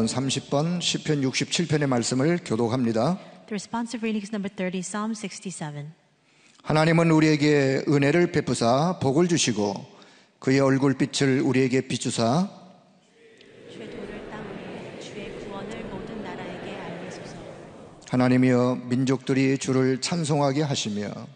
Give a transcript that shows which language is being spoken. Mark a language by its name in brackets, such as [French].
[Korean] 10번 시편 67편의 말씀을 교독합니다. [English] The responsive reading is number 30, Psalm 67. [Korean] 하나님은 우리에게 은혜를 베푸사 복을 주시고 그의 얼굴빛을 우리에게 비추사 주의 도를 땅 위에 주의 구원을 모든 나라에게 알리소서. 하나님이여 민족들이 주를 찬송하게 하시며